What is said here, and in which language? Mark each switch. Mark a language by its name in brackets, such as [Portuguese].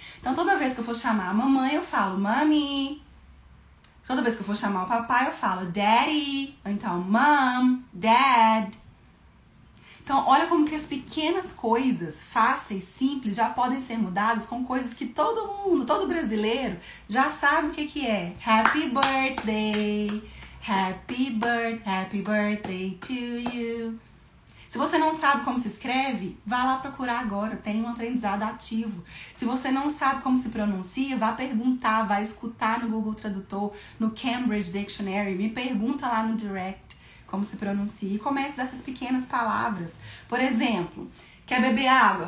[Portuguese] Então toda vez que eu for chamar a mamãe, eu falo, mommy. Toda vez que eu for chamar o papai, eu falo daddy, ou então mom, dad. Então, olha como que as pequenas coisas, fáceis, simples, já podem ser mudadas com coisas que todo mundo, todo brasileiro, já sabe o que que é. [English] Happy birthday, happy birthday, happy birthday to you. [Portuguese] Se você não sabe como se escreve, vá lá procurar agora, tem um aprendizado ativo. Se você não sabe como se pronuncia, vá perguntar, vá escutar no Google Tradutor, no Cambridge Dictionary, me pergunta lá no Direct como se pronuncia. E comece dessas pequenas palavras. Por exemplo, quer beber água?